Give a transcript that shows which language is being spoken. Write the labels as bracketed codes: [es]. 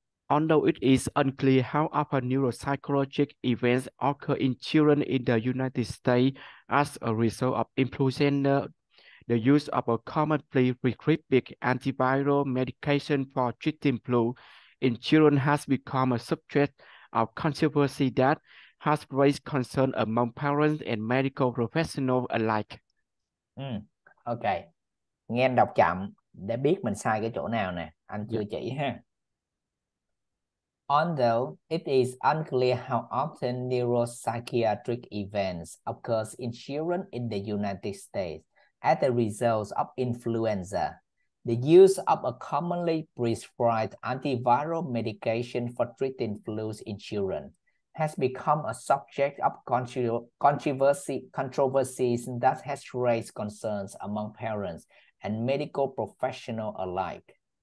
[en] Although it is unclear how often neuropsychological events occur in children in the United States as a result of influenza, the use of a commonly prescribed antiviral medication for treating flu in children has become a subject of controversy that has raised concern among parents and medical professionals alike. Ok. [vi] Nghe anh đọc chậm để biết mình sai cái chỗ nào nè. Anh chưa chỉ ha. [en] Although it is unclear how often neuropsychiatric events occur in children in the United States as a result of influenza, the use of a commonly prescribed antiviral medication for treating flus in children has become a subject of controversies that has raised concerns among parents and medical professionals alike.